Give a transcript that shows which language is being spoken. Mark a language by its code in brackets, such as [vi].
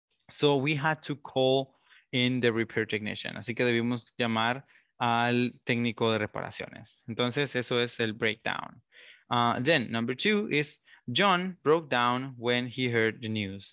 [en] So we had to call in the repair technician. [es] Así que debimos llamar al técnico de reparaciones. Entonces, eso es el breakdown. [en] Then, number two is John broke down when he heard the news.